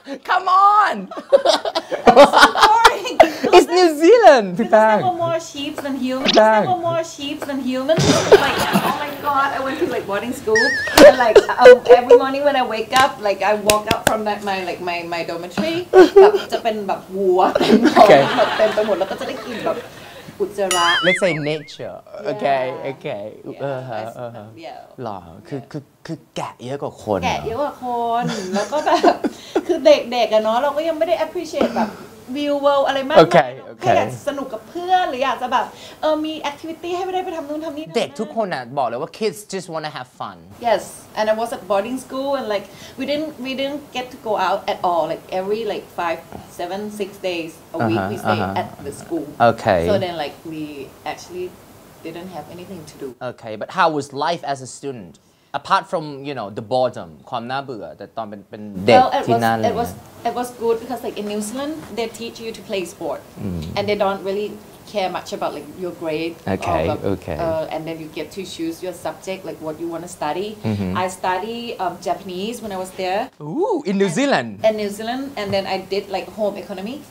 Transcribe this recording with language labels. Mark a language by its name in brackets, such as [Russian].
[English] Come on! It's so boring. It's New Zealand, Pipang. There's never more sheep than humans. Like, oh my god, I went to like boarding school. And like every morning when I wake up, like I walk out from that my dormitory. [Thai] จะเป็นแบบวัวเต็มไปหมดแล้วก็จะได้กินแบบอุจจาระ [English] Let's say nature. Okay. Yeah. [Thai] หรอคือแกะเยอะกว่าคน แกะเยอะกว่าคนแล้วก็แบบคือเด็กอะเนาะเราก็ยังไม่ได้ appreciate แบบวิวเวิลด์อะไรมาก โอเคแ ค่อยากสนุกกับเพื่อนหรืออยากจะแบบมีแอคทิวิตี้ให้ได้ไปทำนู่นทำนี่เด็กทุกคนอะบอกเลยว่า [English] kids just wanna have fun yes and I was at boarding school and like we didn't get to go out at all like every like 5, 7, 6 days a week we stayed at the school okay so then like we actually didn't have anything to do okay but how was life as a studentApart from you know the boredom, [Thai] ความน่าเบื่อแต่ตอนเป็นเด็กที่นั่นเลย [English] it was good because like in New Zealand they teach you to play sport and they don't really care much about like your grade and then you get to choose your subject like what you want to study I study Japanese when I was there ooh in New Zealand in New Zealand and then I did like home economy